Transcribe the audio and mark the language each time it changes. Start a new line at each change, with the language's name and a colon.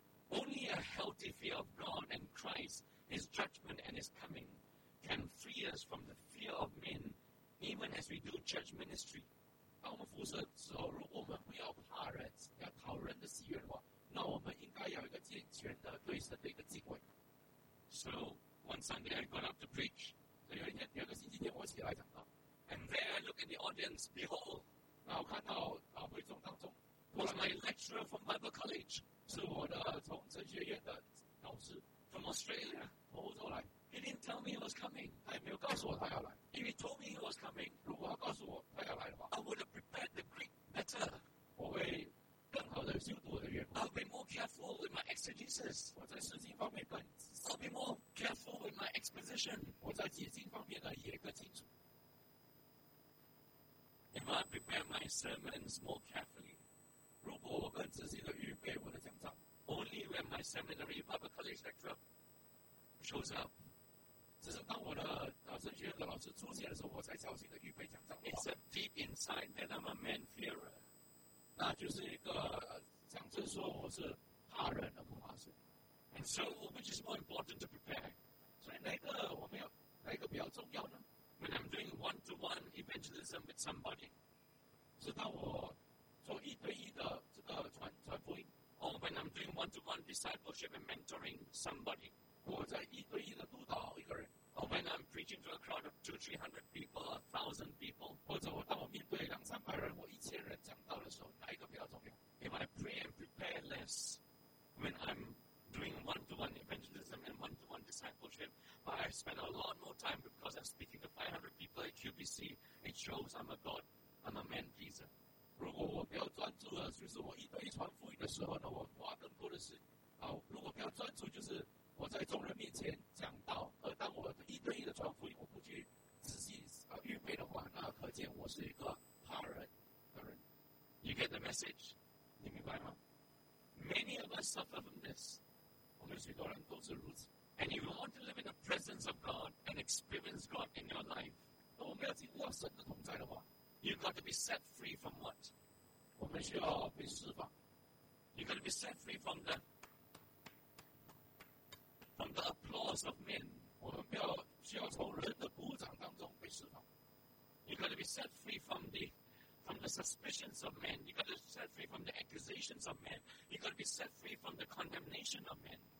English: Only a healthy fear of God and Christ, His judgment and His coming can free us from the fear of men, even as we do church ministry.
Chinese: 当我们服侍的时候，如果我们不要怕人，要讨人的喜悦的话，那我们应该要一个健全的对神的一个敬畏。
English: So one Sunday I got up to preach.
Chinese: 所以有一个星期天我起来讲道。
English: And there I look at the audience, behold,
Chinese: 那我看到会众当中
English: was my lecturer from Bible College,
Chinese: 是我的从神学院的导师
English: from Australia,
Chinese: 从欧洲来。
English: He didn't tell me he was coming.
Chinese: 他也没有告诉我他要来。
English: If he told me he was coming,
Chinese: 如果他告诉我他要来的话，
English: I would have prepared the Greek better.
Chinese: 我会更好的修读我的原文。
English: I'll be more careful with my exegesis.
Chinese: 我在释经方面更仔细。
English: I'll be more careful with my exposition.
Chinese: 我在解经方面呢也更清楚。
English: If I prepare my sermons more carefully,
Chinese: 如果我更仔细的预备我的讲章，
English: Only when my seminary Bible College lecturer shows up.
Chinese: 只是当我的神学院的老师出现的时候，我才小心的预备讲章。
English: It's a deep inside that I'm a man fearer.
Chinese: 那就是一个讲真说我是怕人的不怕神。
English: And so, which is more important to prepare?
Chinese: 所以哪个我们要哪个比较重要呢
English: ？When I'm doing one-to-one evangelism with somebody,
Chinese: 是当我做一对一的这个传福音
English: ，or when I'm doing one-to-one discipleship and mentoring somebody.
Chinese: 我在一对一的督导一个人
English: ，or when I'm preaching to a crowd of 200-300 people, 1,000 people,
Chinese: 或者我当我面对两三百人或一千人讲道的时候，哪一个比较重要
English: ？If I pray and prepare less when I'm doing one-to-one evangelism and one-to-one discipleship, but I spend a lot more time because I'm speaking to 500 people at QBC, it shows I'm a God, I'm a man pleaser.
Chinese: 如果我比较专注的就是我一对一传福音的时候呢，我花更多的时间。好，如果比较专注就是。我在众人面前讲道，而当我一对一的传福音，我不去仔细预备的话，那可见我是一个怕人的人。
English: You get the message?
Chinese: 你明白吗
English: ？Many of us suffer from this.
Chinese: 我们许多人都是如此。
English: And if you want to live in the presence of God and experience God in your life,
Chinese: 那我们要经历到神的同在的话
English: ，You've got to be set free from what?
Chinese: 我们需要被释放。
English: You've got to be set free from the. From the applause of men,
Chinese: 我们不要需要从人的鼓掌当中被释放。
English: You got to be set free from the suspicions of men. You got to be set free from the accusations of men. You got to be set free from the condemnation of men.